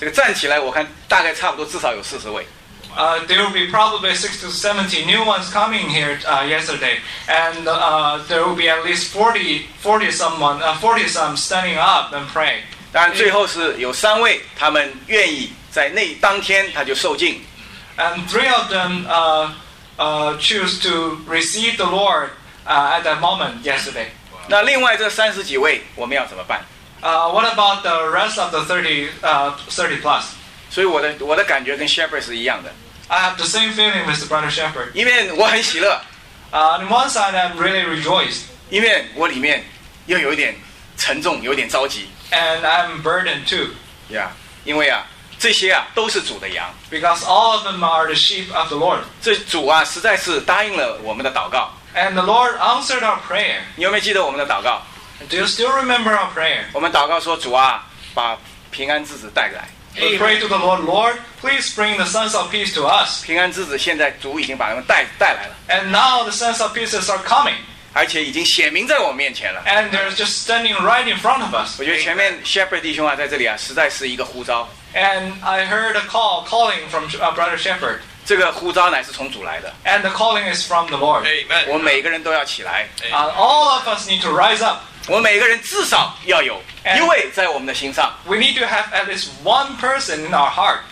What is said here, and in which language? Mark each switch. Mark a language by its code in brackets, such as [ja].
[zh] 我看昨天总共来了大概六七十位这个新生，但是呢，这个站起来我看大概差不多至少有40位。 [en] There will be probably 60 to 70 new ones coming here yesterday, and there will be at least 40 some standing up and praying. [zh] 当然，最后是有三位，他们愿意在那当天他就受浸。 [en] And three of them choose to receive the Lord at that moment yesterday. [zh] 那另外这30几位，我们要怎么办？ [en] What about the rest of the 30 plus? [zh] 所以我的感觉跟 Shepherd 是一样的。 [en] I have the same feeling, Mr. Brother Shepherd. [zh] 因为我很喜乐。 [en] On one side, I'm really rejoiced. [zh] 因为我里面又有点沉重，有点着急。 [en] And I'm burdened too. [zh] Yeah, 因为啊，这些啊都是主的羊。 [en] Because all of them are the sheep of the Lord. [zh] 这主啊，实在是答应了我们的祷告。And [en] the Lord answered our prayer. [zh] 你有没有记得我们的祷告？ [en] Do you still remember our prayer? [zh] 我们祷告说，主啊，把平安之子带来。 [en] We pray to the Lord, Lord, please bring the sons of peace to us. [zh] 平安之子现在主已经把他们带来了。 [en] And now the sons of peace are coming. [zh] 而且已经显明在我面前了。 [en] And they're just standing right in front of us. [zh] 我觉得前面 Shepherd 弟兄啊在这里啊，实在是一个呼召。 [en] And I heard a call calling from Brother Shepherd. [zh] 这个呼召乃是从主来的。 [en] And the calling is from the Lord. Amen. [zh] 我每个人都要起来。 [en] All of us need to rise up. [zh] 我每个人至少要有一位在我们的心上。 [en] We need to have at least one person in our heart.